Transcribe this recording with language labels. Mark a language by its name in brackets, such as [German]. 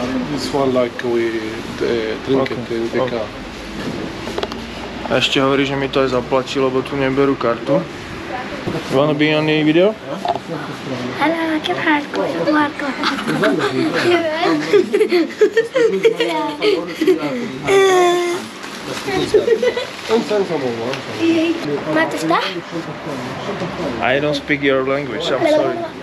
[English] This one like we drink it in the car. [Slovak] A ešte hovorí, že mi to aj zaplatí, lebo tu neberú kartu. [English] You wanna be on the video? I don't speak your language, I'm sorry.